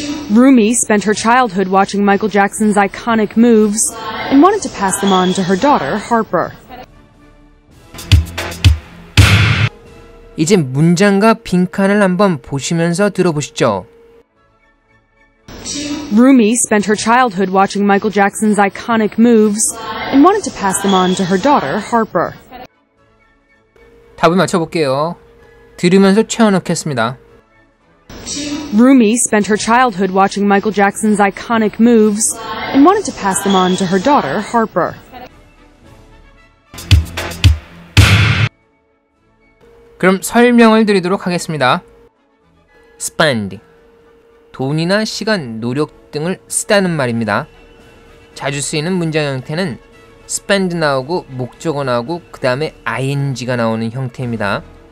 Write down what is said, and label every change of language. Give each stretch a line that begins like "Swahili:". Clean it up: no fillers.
English: 루미 spent her childhood watching Michael Jackson's iconic moves and wanted to pass them on to her daughter, Harper.
Korean: 이제 문장과 빈칸을 한번 보시면서 들어보시죠.
English: Rumi spent her childhood watching Michael Jackson's iconic moves and wanted to pass them on to her daughter, Harper.
Korean: 답을 맞춰볼게요. 들으면서 채워넣겠습니다.
English: Rumi spent her childhood watching Michael Jackson's iconic moves and wanted to pass them on to her daughter, Harper.
Korean: 그럼 설명을 드리도록 하겠습니다.
English: Spend.
Korean: 돈이나 시간, 노력 등을 쓰다는 말입니다. 자주 쓰이는 문장 형태는 spend 나오고 목적어 나오고 그 다음에 ing가 나오는 형태입니다.